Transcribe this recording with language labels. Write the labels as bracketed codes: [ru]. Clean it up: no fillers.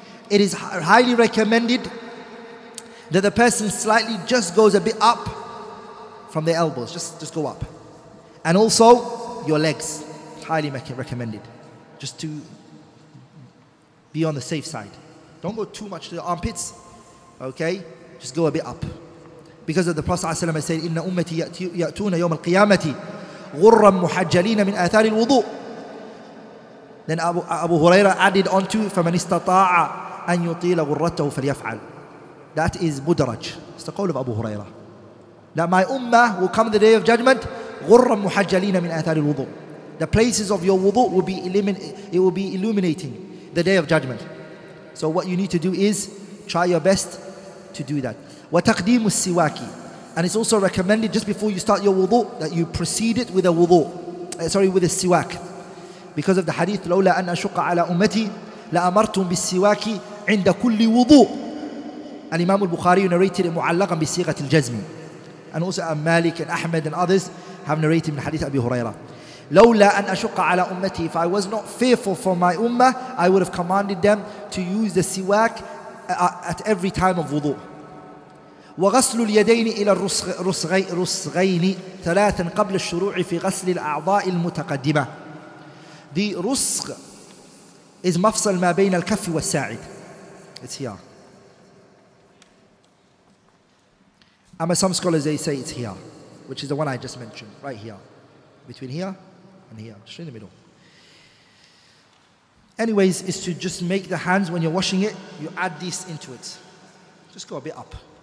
[en] It is highly recommended that the person slightly just goes a bit up from their elbows. Just go up. And also, your legs. Highly recommended. Just to be on the safe side. Don't go too much to the armpits. Okay? Just go a bit up. Because of the Prophet ﷺ said, [ar] إِنَّ أُمَّتِي يَأْتُونَ يَوْمَ الْقِيَامَةِ غُرَّا مُحَجَّلِينَ مِنْ آثَارِ الْوُضُوءِ. [en] Then Abu Hurairah added on to, [ar] فَمَنِ اسْتَطَاعَ أَنْ يُطِيلَ غُرَّتَهُ فَلْيَفْعَلْ. [en] That is mudraj. It's the call of Abu Hurairah. That my ummah will come the day of judgment, [ar] غُرَّا مُحَجَّلِينَ مِنْ آثَارِ الْوُضُوءِ. [en] The places of your wudu will be illuminating the day of judgment. So what you need to do is try your best to do that. [ar] وَتَقْدِيمُ السِّوَاكِ. [en] And it's also recommended just before you start your wudu that you precede it with a wudu. With a siwak. Because of the hadith, [ar] لولا أن أشق على أمتي لأمرتم بالسواك عند كل وضوء. [en] And Imam al-Bukhari narrated it [ar] مُعَلَّقًا بِسِيغَةِ الْجَزْمِ. [en] And also Malik and Ahmed and others have narrated in hadith Abi Hurairah. [ar] لولا أن أشق على أمتي. [en] If I was not fearful for my ummah, I would have commanded them to use the siwak at every time of wudu. [ar] وغسل اليدين إلى الرسغين ثلاثا قبل الشروع في غسل الأعضاء المتقدمة. The رسغ is مفصل ما بين الكف والساعد. [en] It's here. Some scholars, they say it's here, which is the one I just mentioned, right here. Between here and here, just in the middle. Anyways, is to just make the hands, when you're washing it, you add this into it. Just go a bit up.